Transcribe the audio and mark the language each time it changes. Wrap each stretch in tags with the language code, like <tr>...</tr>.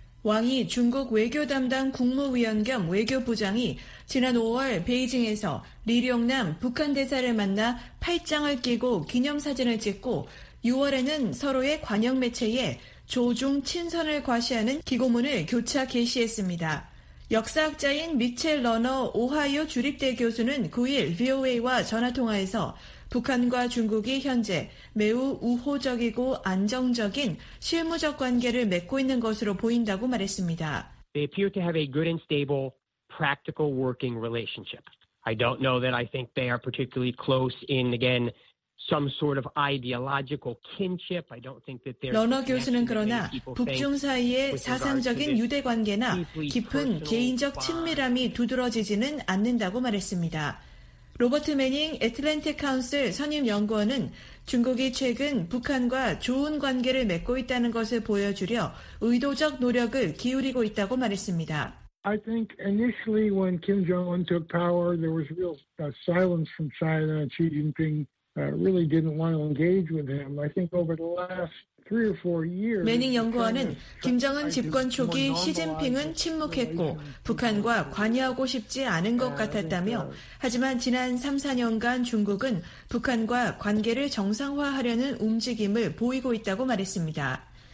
<ko>왕이 중국 외교 담당 국무위원 겸 외교부장이 지난 5월 베이징에서 리룡남 북한 대사를 만나 팔짱을 끼고 기념사진을 찍고 6월에는 서로의 관영 매체에 조중 친선을 과시하는 기고문을 교차 게시했습니다. 역사학자인 미첼 러너 오하이오 주립대 교수는 9일 VOA와 전화통화에서 북한과 중국이 현재 매우 우호적이고 안정적인 실무적 관계를 맺고 있는 것으로 보인다고 말했습니다.</ko> <en>They appear to have a good and stable practical working relationship. I don't know that I think they are particularly close in again some sort of ideological kinship. I don't think that they're</en> <ko>러너 교수는 그러나 북중 사이의 사상적인 유대 관계나 깊은 개인적 친밀함이 두드러지지는 않는다고 말했습니다. 로버트 매닝 애틀랜틱 카운슬 선임 연구원은 중국이 최근 북한과 좋은 관계를 맺고 있다는 것을 보여주려 의도적 노력을 기울이고 있다고 말했습니다.</ko> <en>I think initially when Kim Jong-un took power, there was real silence from China. Xi Jinping really didn't want to engage with him. I think over the last 3 or 4 years,</en> <ko>매닝 연구원은 김정은 집권 초기 시진핑은 침묵했고 북한과 관여하고 싶지 않은 것 같았다며 하지만 지난 3, 4년간 중국은 북한과 관계를 정상화하려는 움직임을 보이고 있다고 말했습니다.</ko>